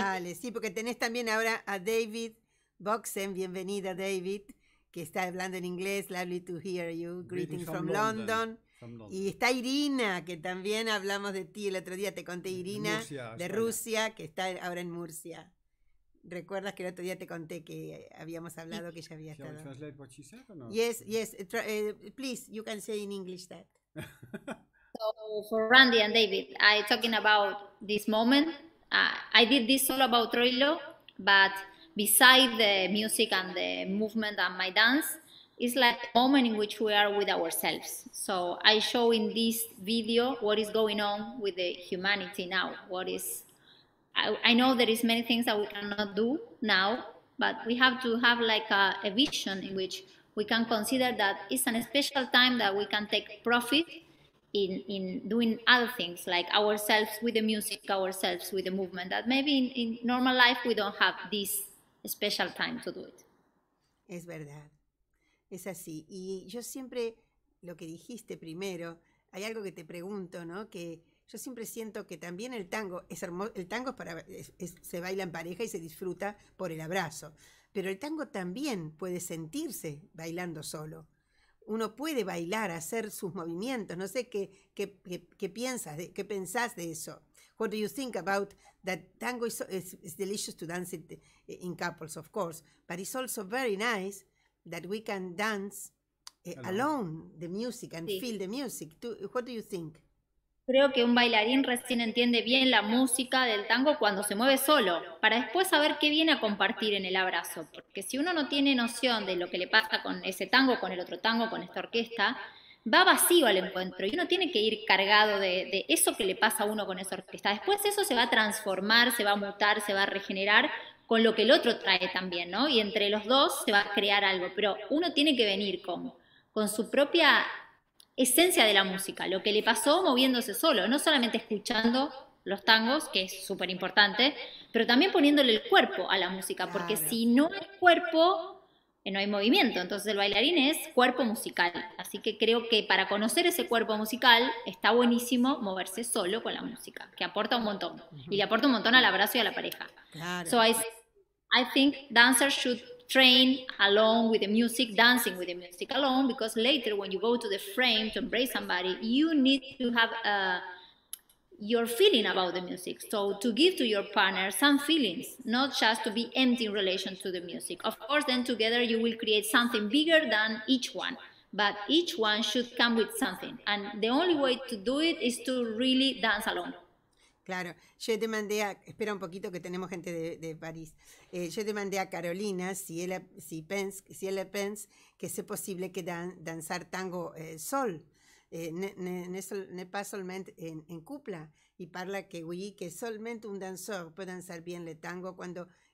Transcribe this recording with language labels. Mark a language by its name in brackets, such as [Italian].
[Spanish] Dale, sí, porque tenés también ahora a David Boxen, bienvenida David, que está hablando en inglés, [English] lovely to hear you, greetings from London. London. [Spanish] Y está Irina, que también hablamos de ti el otro día, te conté Irina, de Rusia, que está ahora en Murcia. ¿Recuerdas que el otro día te conté que habíamos hablado, que ella había estado? ¿Puedes traducir lo que dijo? [English] Yes, yes, please, you can say in English that. So, for Randy and David, I talking about this moment, I did this solo about Troilo, but beside the music and the movement and my dance, it's like a moment in which we are with ourselves. So I show in this video what is going on with the humanity now. What is, I know there is many things that we cannot do now, but we have to have like a vision in which we can consider that it's a special time that we can take profit in doing other things, like ourselves with the music, ourselves with the movement, that maybe in normal life we don't have this special time to do it. [Spanish] Es verdad. Es así. Y yo siempre, lo que dijiste primero, hay algo que te pregunto, ¿no? Que yo siempre siento que también el tango es hermoso, el tango es para, se baila en pareja y se disfruta por el abrazo. Pero el tango también puede sentirse bailando solo. Uno puede bailar, hacer sus movimientos. No sé qué piensas, qué pensás de eso. [English] What do you think about that tango is delicious to dance it in couples, of course, but it's also very nice that we can dance alone the music and feel the music. What do you think? [Spanish] Creo que un bailarín recién entiende bien la música del tango cuando se mueve solo, para después saber qué viene a compartir en el abrazo. Porque si uno no tiene noción de lo que le pasa con ese tango, con el otro tango, con esta orquesta, va vacío al encuentro y uno tiene que ir cargado de eso que le pasa a uno con esa orquesta. Después eso se va a transformar, se va a mutar, se va a regenerar con lo que el otro trae también, ¿no? Y entre los dos se va a crear algo, pero uno tiene que venir con su propia esencia de la música, lo que le pasó moviéndose solo, no solamente escuchando los tangos, que es súper importante, pero también poniéndole el cuerpo a la música, porque si no hay cuerpo, no hay movimiento. Entonces el bailarín es cuerpo musical, así que creo que para conocer ese cuerpo musical está buenísimo moverse solo con la música, que aporta un montón, y le aporta un montón al abrazo y a la pareja. Claro. [English] So I think dancers should train alone with the music, dancing with the music alone, because later when you go to the frame to embrace somebody, you need to have your feeling about the music. So to give to your partner some feelings, not just to be empty in relation to the music. Of course, then together you will create something bigger than each one, but each one should come with something. And the only way to do it is to really dance alone. [Spanish] Claro, yo te mandé a, espera un poquito que tenemos gente de París, yo te mandé a Carolina, si él pensa que es posible que danzar tango sol, no es solamente en cupla, y parla que oui, que solamente un danzor puede danzar bien el tango cuando